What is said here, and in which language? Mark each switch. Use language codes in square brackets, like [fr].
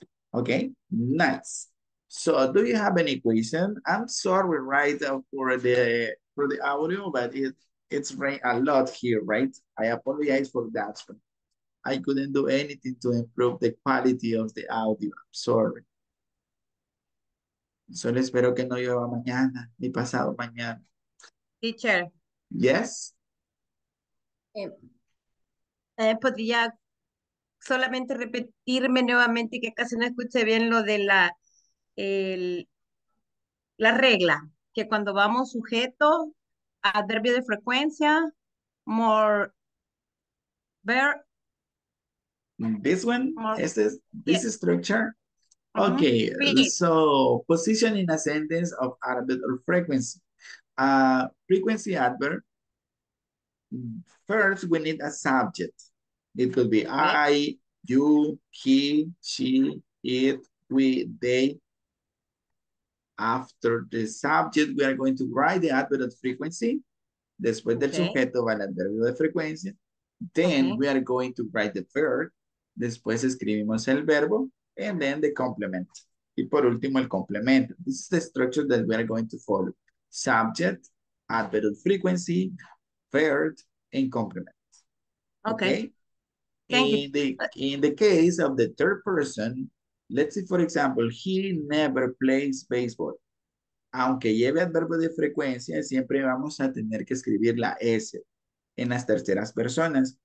[en] Okay, nice. So, do you have any question? I'm sorry, right, for the audio, but it's rain a lot here, right? I apologize for that. But I couldn't do anything to improve the quality of the audio. I'm sorry. [es] Solo espero que no llueva mañana, ni pasado mañana. [en] Teacher. Yes. [es] Podría solamente repetirme nuevamente que casi no escuché bien lo de la regla, que cuando vamos sujeto, adverbio de frecuencia, [en] more verb. This one, more, this yes. structure. Okay, so position in a sentence of adverb or frequency. Frequency adverb, first we need a subject. It could be I, you, he, she, it, we, they. After the subject, we are going to write the adverb of frequency. [es] Después del sujeto va el adverbio de frecuencia. [en] Then we are going to write the verb. [es] Después escribimos el verbo. [en] And then the complement. [es] Y por último, el complemento. [en] This is the structure that we are going to follow. Subject, adverb of frequency, verb, and complement. Okay. In the case of the third person, let's say, for example, he never plays baseball. [es] Aunque lleve adverbio de frecuencia, siempre vamos a tener que escribir la S en las terceras personas.